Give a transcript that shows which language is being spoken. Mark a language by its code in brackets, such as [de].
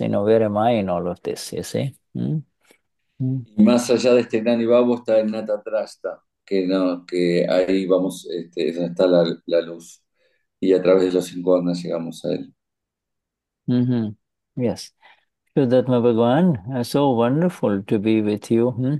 [en] You know, where am I in all of this? You see. [es] Más allá de este gnani bhavo está el GnataDrashta, que ahí vamos. Está la luz. Y a través de los cinco agnas llegamos a él. [en] Mm-hmm. Yes. Vishuddhatma Bhagavan, so wonderful to be with you.